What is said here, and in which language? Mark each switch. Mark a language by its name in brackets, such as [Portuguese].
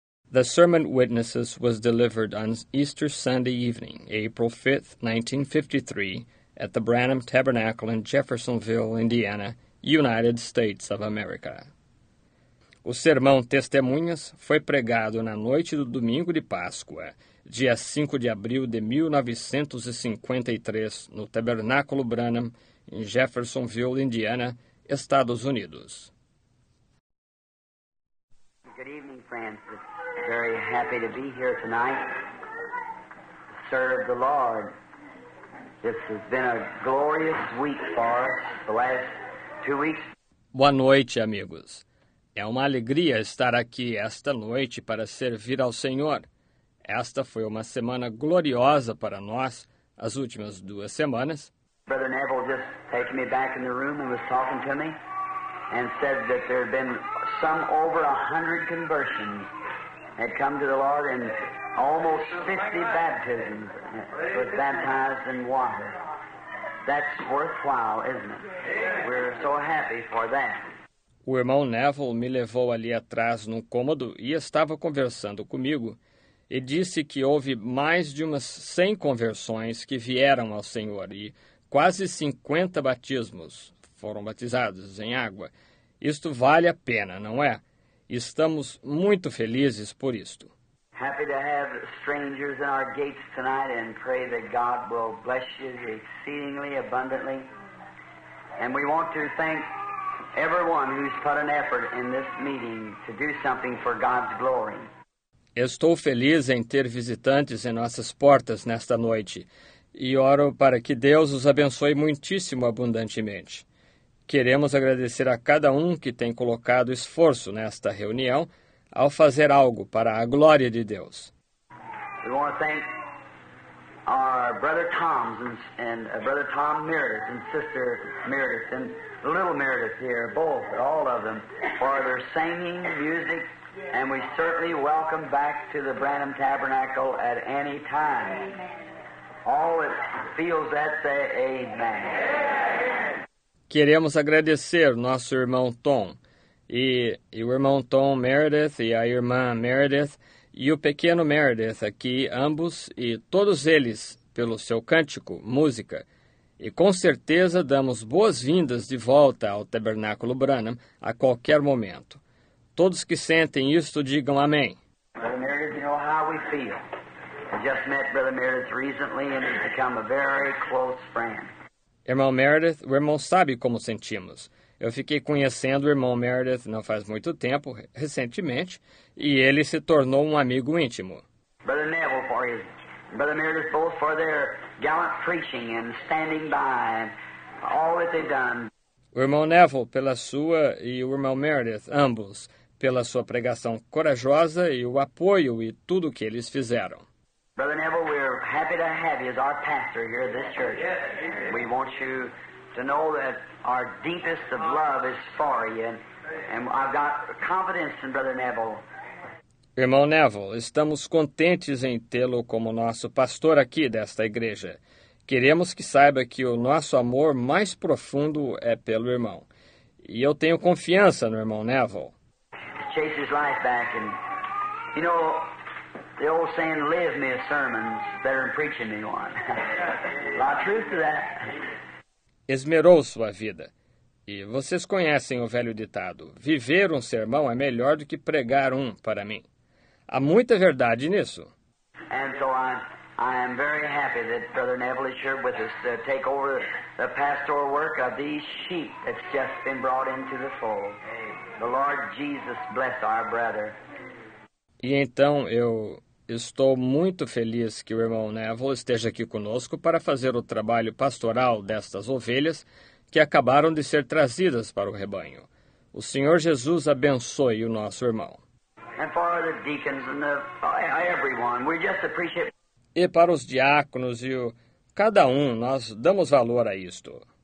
[English] The Sermon Witnesses was delivered on Easter Sunday evening, April 5, 1953, at the Branham Tabernacle in Jeffersonville, Indiana, United States of America. [Portuguese] O Sermão Testemunhas foi pregado na noite do domingo de Páscoa, dia 5 de abril de 1953, no Tabernáculo Branham, em Jeffersonville, Indiana, Estados Unidos. [English] Good evening, Francis. Very happy to be here tonight to serve the Lord. This has been a glorious week for us, the last 2 weeks. [Portuguese] Boa noite, amigos. É uma alegria estar aqui esta noite para servir ao Senhor. Esta foi uma semana gloriosa para nós, as últimas 2 semanas. [English] Brother Neville just taken me back in the room and was talking to me and said that there have been some over 100 conversions that come to the Lord and almost 50 baptisms were baptized in water. That's worthwhile, isn't it? We're so happy for that. [Portuguese] O irmão Neville me levou ali atrás num cômodo e estava conversando comigo e disse que houve mais de umas 100 conversões que vieram ao Senhor e quase 50 batismos foram batizados em água. Isto vale a pena, não é? Estamos muito felizes por isto. [English] Happy to have strangers in our gates tonight and pray that God will bless you exceedingly abundantly. And we want to thank everyone who's put an effort in this meeting to do something for God's glory. [Portuguese] Estou feliz em ter visitantes em nossas portas nesta noite e oro para que Deus os abençoe muitíssimo abundantemente. Queremos agradecer a cada um que tem colocado esforço nesta reunião ao fazer algo para a glória de Deus. [English] We want to thank our brother Tom and brother Tom Meredith and sister Meredith and little Meredith here, both, all of them, for their singing, music, and we certainly welcome back to the Branham Tabernacle at any time. All that feels that, say amen. [Portuguese] Queremos agradecer nosso irmão Tom e o irmão Tom Meredith e a irmã Meredith e o pequeno Meredith aqui, ambos e todos eles, pelo seu cântico, música. E com certeza damos boas-vindas de volta ao Tabernáculo Branham a qualquer momento. Todos que sentem isto, digam amém. [English] Brother Meredith, you know how we feel. I just met Brother Meredith recently and he's become a very close friend. [Portuguese] Irmão Meredith, o irmão sabe como sentimos. Eu fiquei conhecendo o irmão Meredith não faz muito tempo, recentemente, e ele se tornou um amigo íntimo. [English] Brother Neville, for his, Brother Meredith, both for their gallant preaching and standing by and all that they've done. [Portuguese] O irmão Neville, pela sua, e o irmão Meredith, ambos, pela sua pregação corajosa e o apoio e tudo o que eles fizeram. [English] Brother Neville, we're happy to have you as our pastor here at this church. We want you to know that our deepest of love is for you, and I've got confidence in Brother Neville. [Portuguese] Irmão Neville, estamos contentes em tê-lo como nosso pastor aqui desta igreja. Queremos que saiba que o nosso amor mais profundo é pelo irmão. E eu tenho confiança no irmão Neville. [English] Chase his life back and, you know, the old saying, live me a sermon, better than preaching me one. A lot of truth to that. [Portuguese] Esmerou sua vida. E vocês conhecem o velho ditado, viver um sermão é melhor do que pregar um para mim. Há muita verdade nisso. [English] And so I am very happy that Brother Neville is here with us to take over the pastoral work of these sheep that's just been brought into the fold. The Lord Jesus bless our brother. [Portuguese] E então eu estou muito feliz que o irmão Neville esteja aqui conosco para fazer o trabalho pastoral destas ovelhas que acabaram de ser trazidas para o rebanho. O Senhor Jesus abençoe o nosso irmão. [English] And for the deacons and everyone, we just appreciate. [Portuguese] E para os diáconos e cada um, nós damos valor a isto.